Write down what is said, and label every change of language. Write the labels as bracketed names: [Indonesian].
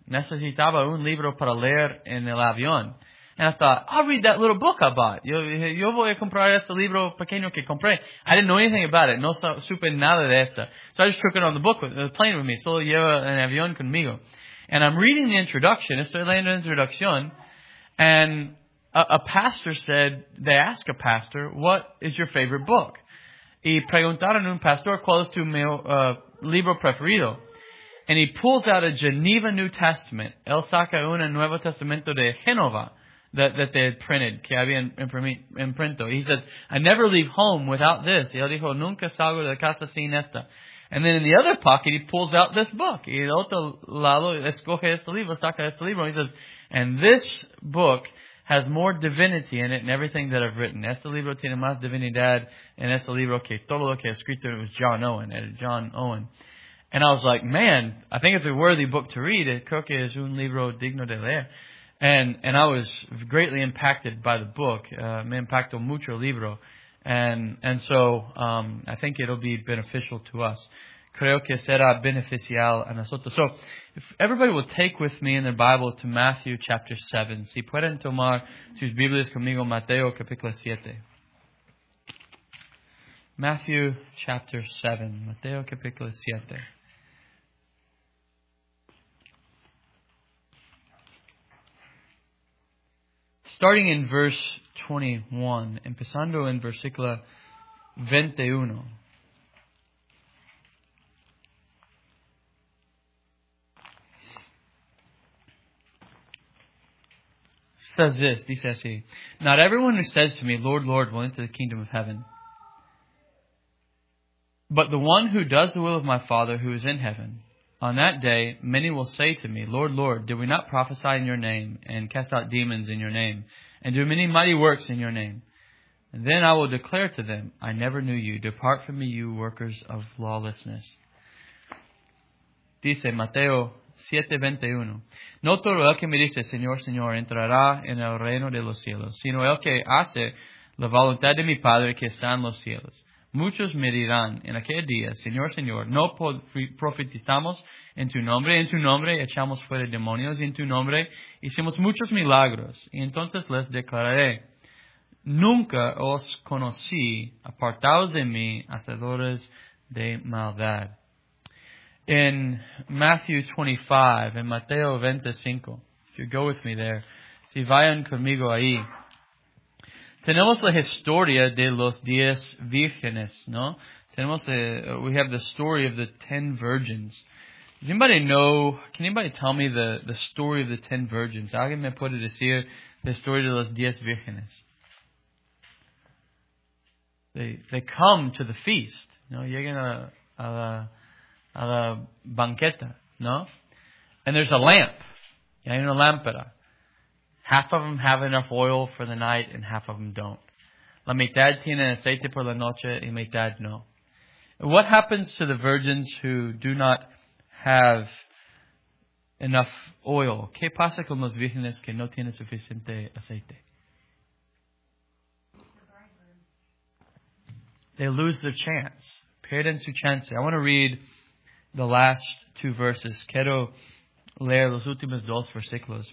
[Spanish] Necesitaba un libro para leer en el avión. [English] And I thought, I'll read that little book I bought. [Spanish] Yo voy a comprar este libro pequeño que compré. [English] I didn't know anything about it. [Spanish] No supe nada de esta. [English] So I just took it on the plane with me. [Spanish] Solo llevo en avión conmigo. [English] And I'm reading the introduction. [Spanish] Estoy leyendo la introducción. [English] And a pastor said, they ask a pastor, what is your favorite book? [Spanish] Y preguntaron un pastor, ¿cuál es tu libro preferido? [English] And he pulls out a Geneva New Testament. [Spanish] Él saca un Nuevo Testamento de Génova [English] that they had printed, [Spanish] que había imprinto. [English] He says, I never leave home without this. [Spanish] Y él dijo, nunca salgo de casa sin esta. [English] And then in the other pocket, he pulls out this book. [Spanish] Y el otro lado, escoge este libro, saca este libro. [English] He says, and this book has more divinity in it than everything that I've written. [Spanish] Este libro tiene más divinidad en este libro que todo lo que he escrito. [English] It was John Owen. And I was like, man, I think it's a worthy book to read. [Spanish] Creo que es un libro digno de leer. [English] And I was greatly impacted by the book. [Spanish] Me impactó mucho el libro. [English] And so I think it'll be beneficial to us. [Spanish] Creo que será beneficial a nosotros. [English] So if everybody will take with me in their Bible to Matthew chapter 7. [Spanish] Si pueden tomar sus Biblias conmigo, Mateo capítulo 7. [English] Matthew chapter 7, [Spanish] Mateo capítulo 7. [English] Starting in verse 21, [Spanish] empezando en versículo 21. [English] Says this, [Spanish] dice así. [English] Not everyone who says to me, Lord, Lord, will enter the kingdom of heaven. But the one who does the will of my Father who is in heaven, on that day many will say to me, Lord, Lord, did we not prophesy in your name and cast out demons in your name and do many mighty works in your name? And then I will declare to them, I never knew you. Depart from me, you workers of lawlessness. [Spanish] Dice Mateo 7:21. No todo el que me dice, Señor, Señor, entrará en el reino de los cielos, sino el que hace la voluntad de mi Padre que está en los cielos. Muchos me dirán en aquel día, Señor, Señor, no profetizamos en tu nombre echamos fuera demonios, y en tu nombre hicimos muchos milagros. Y entonces les declararé, nunca os conocí, apartaos de mí, hacedores de maldad. [English] In Matthew 25, in Mateo 25, if you go with me there, [Spanish] si vayan conmigo ahí, tenemos la historia de los 10 vírgenes, ¿no? [English] We have the story of the 10 virgins. Does anybody know, can anybody tell me the story of the 10 virgins? [Spanish] ¿Alguien me puede decir la historia de los 10 vírgenes? [English] They come to the feast, [Spanish] ¿no? Llegan a la banqueta, ¿no? [English] And there's a lamp. [Spanish] Y hay una lámpara. [English] Half of them have enough oil for the night and half of them don't. [Spanish] La mitad tiene aceite por la noche y mitad no. [English] What happens to the virgins who do not have enough oil? [Spanish] ¿Qué pasa con los vírgenes que no tienen suficiente aceite? [English] They lose their chance. [Spanish] Pierden su chance. [English] I want to read the last two verses. [Spanish] Quiero leer los últimos dos versículos.